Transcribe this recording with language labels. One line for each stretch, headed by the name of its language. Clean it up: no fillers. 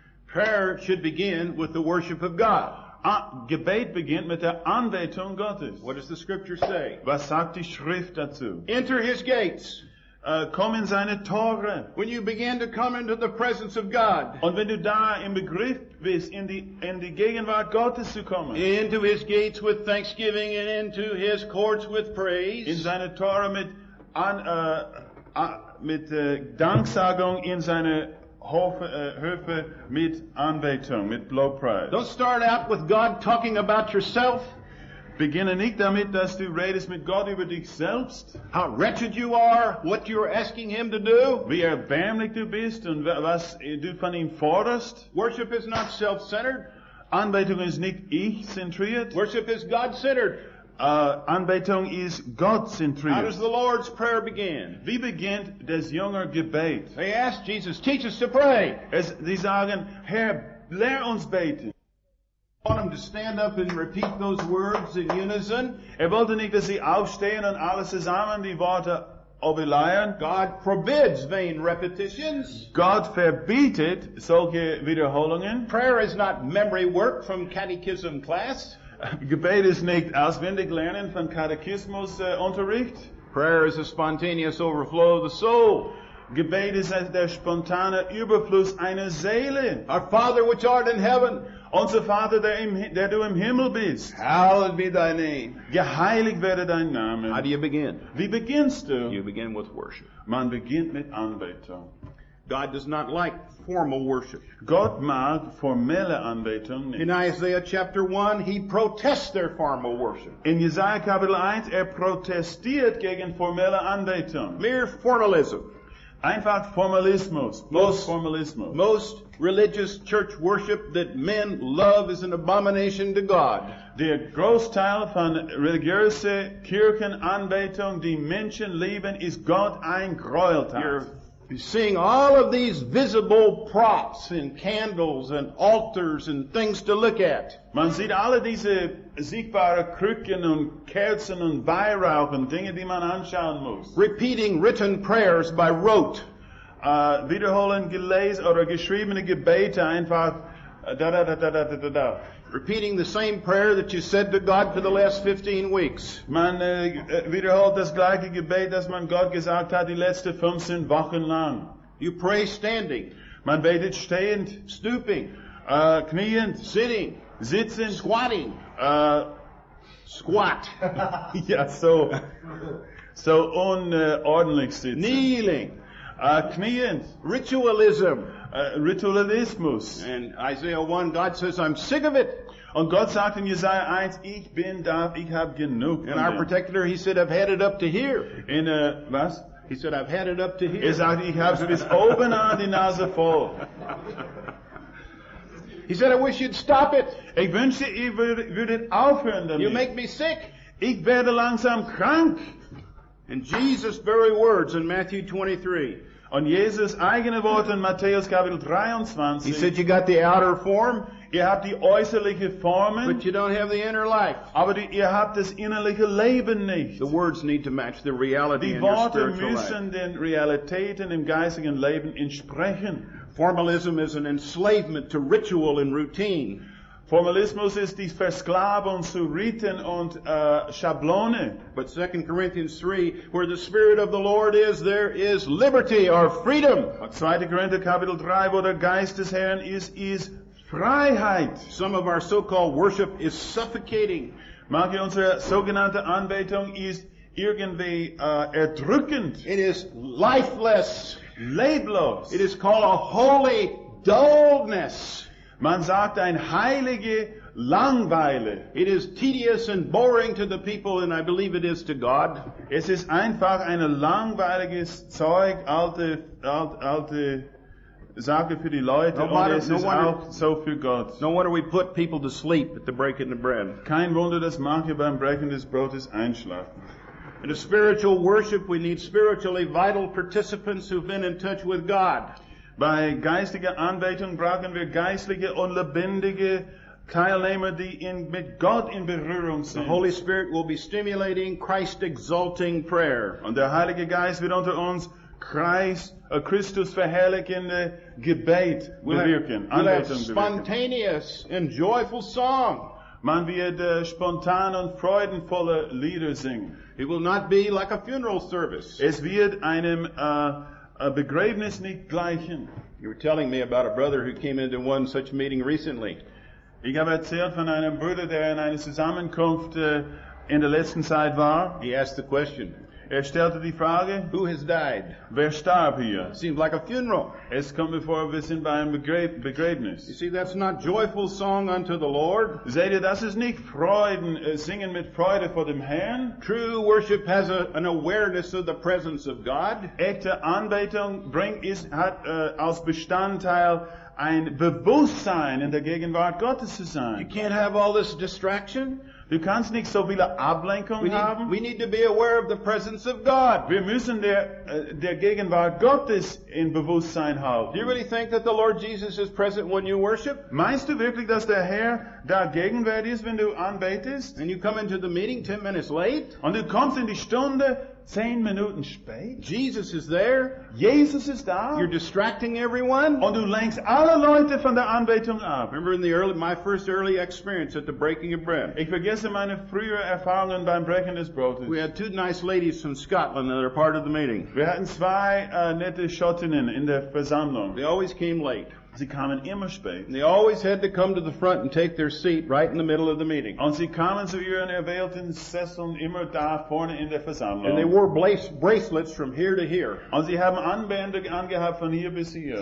English: Prayer should begin with the worship of God.
German: Gebet beginnt mit der Anbetung Gottes.
English: What does the scripture say?
German: Was sagt die Schrift dazu?
English: Enter his gates.
German: Komm in seine Tore.
English: When you begin to come into the presence of God.
German: Und wenn du da im Begriff bist, in die Gegenwart Gottes zu kommen.
English: Into his gates with thanksgiving and into his courts with praise.
German: In seine Tore mit Danksagung in seine Höfe mit Anbetung, mit Lobpreis.
English: Don't start out with God talking about yourself.
German: Beginne nicht damit, dass du redest mit Gott über dich selbst.
English: How wretched you are, what you're asking him to do.
German: Wie erbärmlich du bist und was du von ihm forderst.
English: Worship is not self-centered.
German: Anbetung ist nicht ich-zentriert.
English: Worship is God-centered.
German: Anbetung ist God-zentriert.
English: How does the Lord's Prayer begin?
German: Wie beginnt das Jünger Gebet?
English: They ask Jesus, teach us to pray.
German: Es, die sagen, Herr, lehr uns beten.
English: I want them to stand up and repeat those words in unison.
German: Er wollte nicht, dass sie aufstehen und alle zusammen die Worte überleihen.
English: God forbids vain repetitions.
German: Gott verbietet solche Wiederholungen.
English: Prayer is not memory work from catechism class.
German: Gebet ist nicht auswendig lernen von Katechismus Unterricht.
English: Prayer is a spontaneous overflow of the soul.
German: Gebet ist der spontane Überfluss einer Seele.
English: Our Father which art in heaven.
German: Unser Vater, der du im Himmel bist.
English: Hallowed be thy name.
German: Geheiligt werde dein Name.
English: How do you begin?
German: Wie beginnst du?
English: You begin with worship.
German: Man beginnt mit Anbetung.
English: God does not like formal worship.
German: Gott mag formelle Anbetung nicht.
English: In Isaiah chapter 1, he protests their formal worship.
German: In Jesaja Kapitel 1, protestiert gegen formelle Anbetung.
English: Mere formalism.
German: Einfach Formalismus, bloß Formalismus.
English: Most religious church worship that men love is an abomination to God.
German: Der Großteil von religiöse Kirchenanbetung, die Menschen lieben, ist Gott ein Gräueltat.
English: You're seeing all of these visible props and candles and altars and things to look at.
German: Man sieht alle diese sichtbare Krücken und Kerzen und Weihrauch und Dinge, die man anschauen muss.
English: Repeating written prayers by rote.
German: Wiederholen gelesen oder geschriebene Gebete einfach da-da-da-da-da-da-da-da.
English: Repeating the same prayer that you said to God for the last 15 weeks.
German: Man wiederholt das gleiche Gebet, das man Gott gesagt hat die letzten 15 Wochen lang.
English: You pray standing.
German: Man betet stehend.
English: Stooping.
German: Kniend.
English: Sitting.
German: Sitzen.
English: Squatting. Squat.
German: Ja, so unordentlich sitzen.
English: Kneeling.
German: Kniend.
English: Ritualism.
German: Ritualismus.
English: And Isaiah 1, God says, I'm sick of it.
German: Und Gott sagt in Jesaja 1, ich bin da, ich habe genug.
English: And our protector, he said, I've had it up to here.
German: In was?
English: He said, I've had it up to here.
German: Er sagt, ich habe bis oben an die Nase voll.
English: He said, I wish you'd stop it.
German: Ich wünsche, ihr würdet aufhören damit.
English: You make me sick.
German: Ich werde langsam krank.
English: And Jesus' very words in Matthew 23.
German: Und Jesus' eigene Worte in Matthäus Kapitel 23.
English: He said, you got the outer form.
German: Ihr habt die äußerliche Formen.
English: But you don't have the inner life.
German: Aber ihr habt das innerliche Leben nicht.
English: The words need to match the reality in your spiritual life.
German: Die Worte müssen den Realitäten im geistigen Leben entsprechen.
English: Formalism is an enslavement to ritual and routine.
German: Formalismus ist die Versklavung zu Riten und Schablone.
English: But 2 Corinthians 3, where the Spirit of the Lord is, there is liberty or freedom.
German: 2 Corinthians Kapitel 3, wo der Geist des Herrn ist Freiheit.
English: Some of our so-called worship is suffocating.
German: Manche unserer sogenannte Anbetung ist irgendwie erdrückend.
English: It is lifeless.
German: Leblos.
English: It is called a holy dullness.
German: Man sagt ein heilige Langweile.
English: It is tedious and boring to the people, and I believe it is to God.
German: Es ist einfach ein langweiliges Zeug, alte Sache für die Leute,
English: No wonder we put people to sleep at the breaking of bread.
German: Kein Wunder, dass manche beim Brechen des Brotes einschlafen.
English: In a spiritual worship, we need spiritually vital participants who've been in touch with God.
German: Bei geistiger Anbetung brauchen wir geistliche und lebendige Teilnehmer, die mit Gott in Berührung sind.
English: The Holy Spirit will be stimulating Christ-exalting prayer.
German: Und der Heilige Geist wird unter uns Christus verherrlichende Gebet bewirken.
English: Spontaneous and joyful song.
German: Man wird spontan und freudenvolle Lieder singen.
English: It will not be like a funeral service.
German: Es wird einem a Begräbnis nicht gleichen.
English: You were telling me about a brother who came into one such meeting recently.
German: Ich habe erzählt von einem Bruder, der in einer Zusammenkunft in der letzten Zeit war.
English: He asked the question.
German: Er stellte die Frage,
English: who has died?
German: Wer starb hier?
English: Seems like a funeral.
German: Es kommt mir vor, wir sind bei einem Begräbnis.
English: You see, that's not joyful song unto the Lord.
German: Seht ihr, das ist nicht Freuden, singen mit Freude vor dem Herrn.
English: True worship has an awareness of the presence of God.
German: Echte Anbetung hat als Bestandteil ein Bewusstsein in der Gegenwart Gottes zu sein.
English: You can't have all this distraction.
German: Du kannst nicht so viele Ablenkungen haben.
English: We need to be aware of the presence of God.
German: Wir müssen der Gegenwart Gottes in Bewusstsein haben.
English: Do you really think that the Lord Jesus is present when you worship?
German: Meinst du wirklich, dass der Herr da gegenwärtig ist, wenn du anbetest?
English: And you come into the meeting 10 minutes late?
German: Und du kommst in die Stunde 10 Minuten spät?
English: Jesus is there.
German: Jesus ist da.
English: You're distracting everyone.
German: Und du lenkst alle Leute von der Anbetung ab.
English: Remember in my first early experience at the breaking of bread.
German: Ich vergesse meine frühere Erfahrungen beim Brechen des Brotes.
English: We had two nice ladies from Scotland that are part of the meeting.
German: Wir hatten zwei nette Schottinnen in der Versammlung.
English: They always came late.
German: Sie kamen immer spät.
English: They always had to come to the front and take their seat right in the middle of the meeting.
German: Und sie kamen zu ihren erwählten Sesseln immer da vorne in der Versammlung.
English: And they wore bracelets from here to here.
German: Und sie haben Armbänder angehabt von hier bis hier.